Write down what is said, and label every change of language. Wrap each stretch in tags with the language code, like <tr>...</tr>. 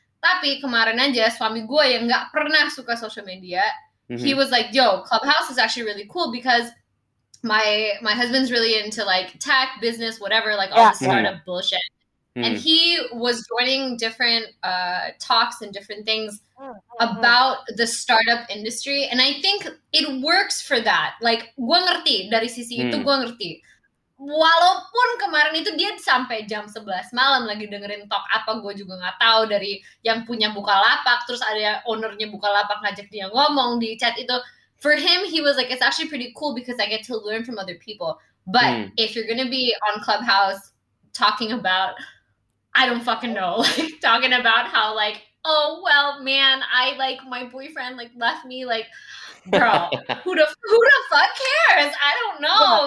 <id>Tapi kemarin aja suami gue yang gak pernah suka</id> <en>social media, he was like, yo, Clubhouse is actually really cool because my husband's really into like tech, business, whatever, like all the startup bullshit. And he was joining different talks and different things about the startup industry. And I think it works for that.</en> <id>Like, gue ngerti. Dari sisi itu gue ngerti. Walaupun kemarin itu dia sampai jam 11 malam lagi dengerin talk apa, gue juga gak tahu, dari yang punya Bukalapak. Terus ada ownernya Bukalapak ngajak dia ngomong di chat itu.</id> <en>For him, he was like, it's actually pretty cool because I get to learn from other people. But if you're gonna be on Clubhouse talking about, I don't fucking know, like talking about how like, oh well man, I like my boyfriend like left me, like bro, who the fuck cares? I don't know.</en>